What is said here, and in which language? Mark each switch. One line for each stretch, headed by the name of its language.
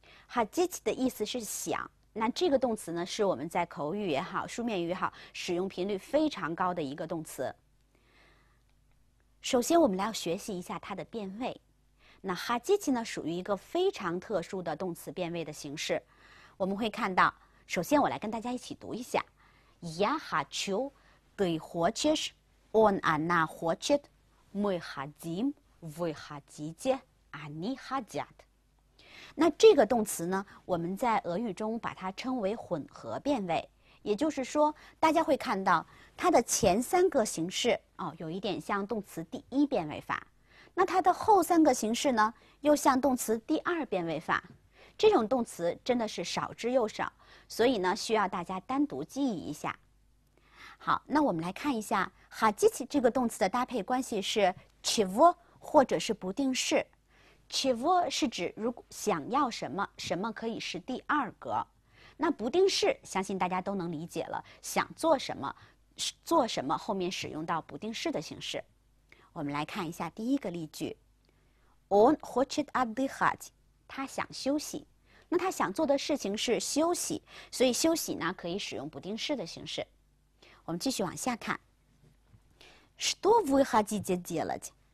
Chinese: hodget 的意思是想。那这个动词呢，是我们在口语也好、书面语也好，使用频率非常高的一个动词。首先，我们来学习一下它的变位。那哈基奇呢，属于一个非常特殊的动词变位的形式。我们会看到，首先我来跟大家一起读一下：
Russian: Я хочу, ты хочешь, он она хочет, мы хотим, вы хотите, они хотят。
Chinese: 那这个动词呢，我们在俄语中把它称为混合变位，也就是说，大家会看到它的前三个形式哦，有一点像动词第一变位法。那它的后三个形式呢，又像动词第二变位法，这种动词真的是少之又少，所以呢，需要大家单独记忆一下。好，那我们来看一下哈基奇这个动词的搭配关系是 чего 或者是不定式。 чего 是指如果想要什么，什么可以是第二格。那不定式，相信大家都能理解了，想做什么，做什么后面使用到不定式的形式。我们来看一下第一个例句：
Russian: Он хочет отдыхать，
Chinese: 他想休息。那他想做的事情是休息，所以休息呢可以使用不定式的形式。我们继续往下看：
Russian: Что вы хотите делать?